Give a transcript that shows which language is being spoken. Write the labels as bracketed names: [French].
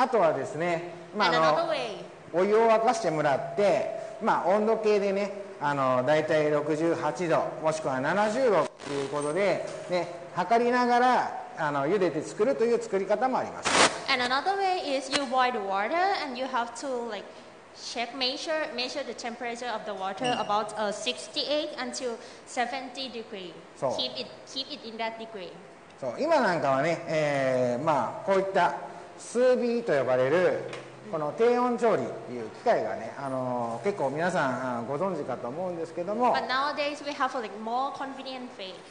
[Japanese] はい、そしてあとはですね、まあ、 [English] And another way. [Japanese] お湯を沸かしてもらって、まあ、温度計でね だいたい 68度もしくは70度ということで、ね、測りながら茹でて作るという作り方もあります。 [English] And another way is you boil the water and you have to like check measure the temperature of the water about 68 until 70 degrees. Keep it in that degree. [Japanese] そう、今なんかはね、こういったスービーと呼ばれる この低温調理という機械がね、結構皆さんご存知かと思うんですけども。 [English] But nowadays we have a more convenient way.